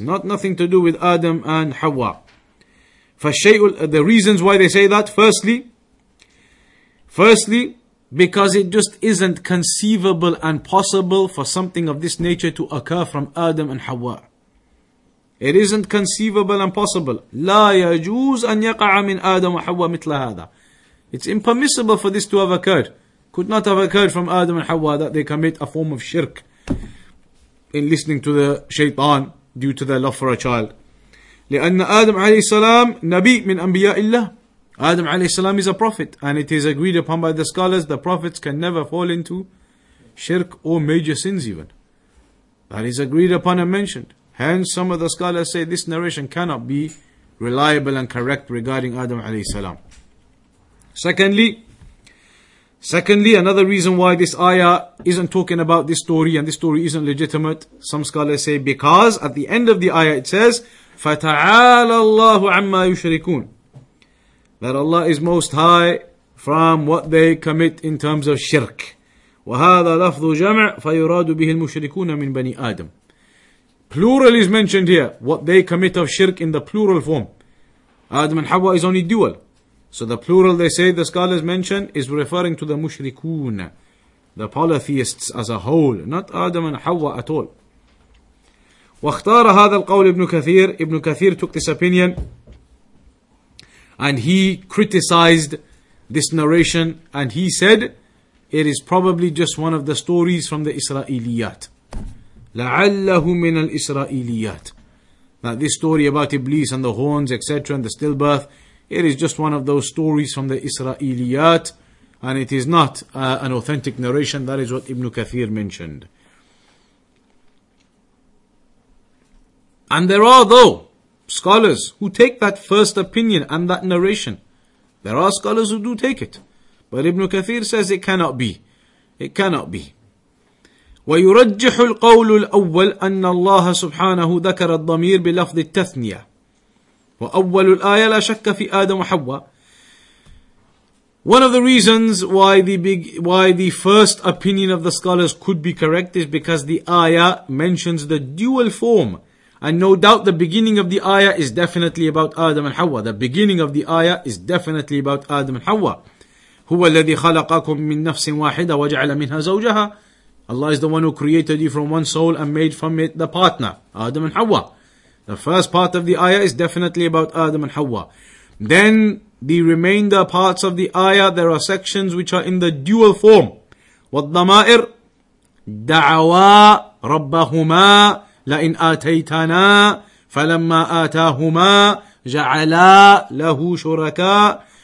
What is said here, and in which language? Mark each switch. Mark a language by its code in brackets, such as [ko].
[en] Nothing to do with Adam and Hawa. The reasons why they say that, firstly, because it just isn't conceivable and possible for something of this nature to occur from Adam and Hawa. It isn't conceivable and possible. [ar] لا يجوز أن يقع من آدم وحواء مثل هذا. [en] It's impermissible for this to have occurred. Could not have occurred from Adam and Hawa that they commit a form of shirk in listening to the shaitan due to their love for a child. [ar] لأن آدم عليه السلام نبي من أنبياء الله. [en] Adam alayhi salam is a prophet, and it is agreed upon by the scholars that prophets can never fall into shirk or major sins even. That is agreed upon and mentioned. Hence, some of the scholars say this narration cannot be reliable and correct regarding Adam alayhi salam. Secondly, Secondly, another reason why this ayah isn't talking about this story and this story isn't legitimate, some scholars say because at the end of the ayah it says, [ar] فَتَعَالَ اللَّهُ عَمَّا يُشْرِكُونَ, [en] that Allah is most high from what they commit in terms of shirk. [ar] وَهَذَا لَفْظُ جَمْعُ فَيُرَادُ بِهِ الْمُشْرِكُونَ مِنْ بَنِي آدَمَ. [en] Plural is mentioned here, what they commit of shirk in the plural form. Adam and Hawa is only dual. So the plural, they say, the scholars mention, is referring to the mushrikun, the polytheists as a whole, not Adam and Hawa at all. [ar] وَاخْتَارَ هَذَا الْقَوْلِ Ibn Kathir. [en] Ibn Kathir took this opinion, and he criticized this narration, and he said, it is probably just one of the stories from the Israeliyat. [ar] لَعَلَّهُ مِنَ الْإِسْرَائِيلِيَاتِ, [en] that this story about Iblis and the horns, etc., and the stillbirth, it is just one of those stories from the Israeliyat, and it is not an authentic narration. That is what Ibn Kathir mentioned. And there are, though, scholars who take that first opinion and that narration. There are scholars who do take it. But Ibn Kathir says it cannot be. It cannot be. [ar] ويرجح القول الأول أن الله سبحانه ذكر الضمير بلفظ التثنية وأول الآية لا شك في آدم وحواء. [en] One of the reasons why the first opinion of the scholars could be correct is because the ayah mentions the dual form, and no doubt the beginning of the ayah is definitely about Adam and Hawa. The beginning of the ayah is definitely about Adam and Hawa. [ar] هو الذي خلقكم من نفس واحدة وجعل منها زوجها. [en] Allah is the one who created you from one soul and made from it the partner, Adam and Hawa. The first part of the ayah is definitely about Adam and Hawa. Then the remainder parts of the ayah, there are sections which are in the dual form. [ar] وَالضَّمَائِرْ دَعَوَا رَبَّهُمَا لَإِنْ آتَيْتَنَا فَلَمَّا آتَاهُمَا جَعَلَا لَهُ شُرَكَا.